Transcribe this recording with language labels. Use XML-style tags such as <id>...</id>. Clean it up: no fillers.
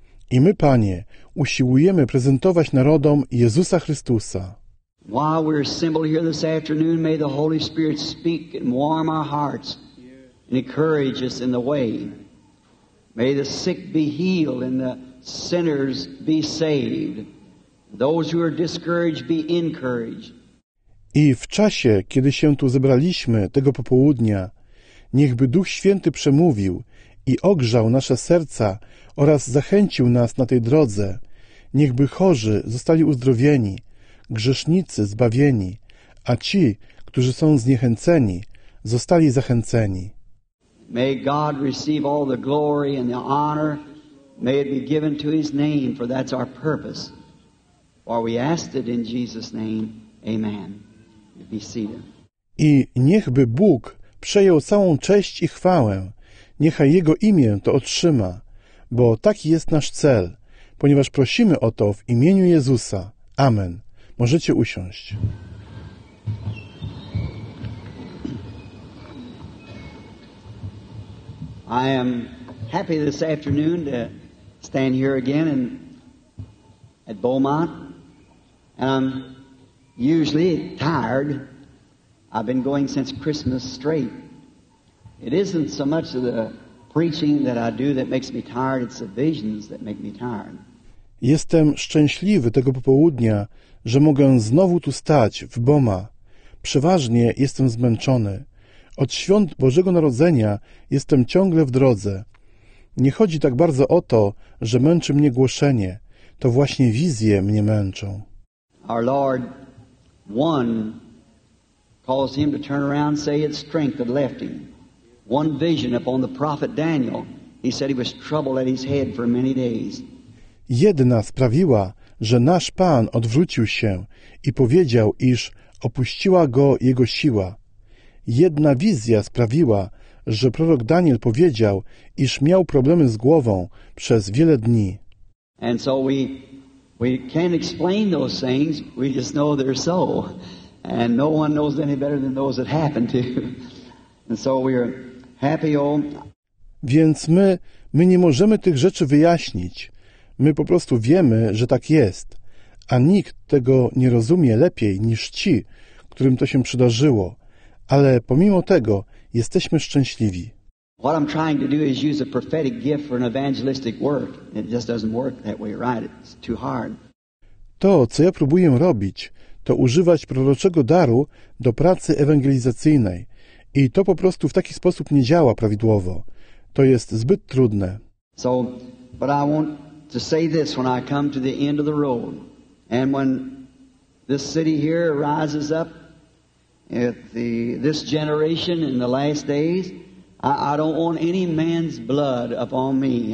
<pl>I my, Panie, usiłujemy prezentować narodom Jezusa Chrystusa.</pl> <en>While we're assembled here this afternoon, may the Holy Spirit speak and warm our hearts and encourage us in the way. May the sick be healed and the sinners be saved. Those who are discouraged be encouraged.</en> <pl>I w czasie, kiedy się tu zebraliśmy tego popołudnia, niechby Duch Święty przemówił i ogrzał nasze serca oraz zachęcił nas na tej drodze. Niechby chorzy zostali uzdrowieni, grzesznicy zbawieni, a ci, którzy są zniechęceni, zostali zachęceni.</pl> <en>May God receive all the glory and the honor. May it be given to His name, for that's our purpose. For we ask it in Jesus' name. Amen. Be seated.</en> <pl>I niechby Bóg przejął całą cześć i chwałę. Niechaj Jego imię to otrzyma, bo taki jest nasz cel, ponieważ prosimy o to w imieniu Jezusa. Amen. Możecie usiąść.</pl> <en>I am happy this afternoon to stand here again and at Beaumont. And I'm usually tired. I've been going since Christmas straight. It isn't so much of the preaching that I do that makes me tired, it's the visions that make me tired.</en> <pl>Jestem szczęśliwy tego popołudnia, że mogę znowu tu stać, w Boma. Przeważnie jestem zmęczony. Od świąt Bożego Narodzenia jestem ciągle w drodze. Nie chodzi tak bardzo o to, że męczy mnie głoszenie. To właśnie wizje mnie męczą.</pl> <en>Our Lord one caused him to turn around and say it's strength that left him. One vision upon the prophet Daniel. He said he was troubled at his head for many days.</en> <pl>Jedna sprawiła, że nasz Pan odwrócił się i powiedział, iż opuściła go jego siła. Jedna wizja sprawiła, że prorok Daniel powiedział, iż miał problemy z głową przez wiele dni.</pl> <en>And so we can't explain those things, we just know they're so. And no one knows any better than those that happened to. And so we are happy all.</en> <pl>Więc my nie możemy tych rzeczy wyjaśnić. My po prostu wiemy, że tak jest, a nikt tego nie rozumie lepiej niż ci, którym to się przydarzyło, ale pomimo tego jesteśmy szczęśliwi.</pl> <en>What I'm trying to do is use a prophetic gift for an evangelistic work. It just doesn't work that way, right? It's too hard.</en> <pl>To, co ja próbuję robić, to używać proroczego daru do pracy ewangelizacyjnej i to po prostu w taki sposób nie działa prawidłowo. To jest zbyt trudne.</pl> <en>So, but I won't to say this when I come to the end of the road and when this city here rises up at this generation in the last days, I don't want any man's blood upon me.</en>